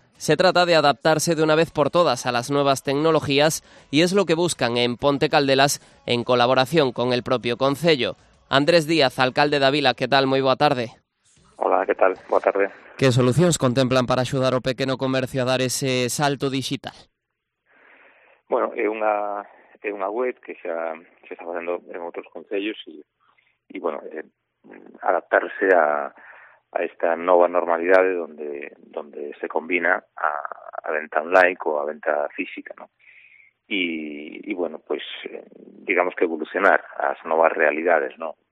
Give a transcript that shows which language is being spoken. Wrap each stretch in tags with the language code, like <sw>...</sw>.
<es>Se trata de adaptarse de una vez por todas a las nuevas tecnologías y es lo que buscan en Ponte Caldelas en colaboración con el propio concello. Andrés Díaz, alcalde de Avila, ¿qué tal?</es> <gl>Muy boa tarde.</gl> <es>Hola, ¿qué tal?</es> <gl>Boa tarde.</gl> <es>¿Qué soluciones contemplan para ayudar al pequeño comercio a dar ese salto digital?</es> <gl>Bueno, é unha web que xa se está facendo en outros concellos</gl> <es>y bueno,</es> <gl>adaptarse a esta nova normalidade</gl> <es>donde se combina</es> <gl>a venta online coa venta física, ¿no?</gl> <es>Y bueno, pues digamos que evolucionar</es> <gl>as novas realidades,</gl> <es>¿no?</es>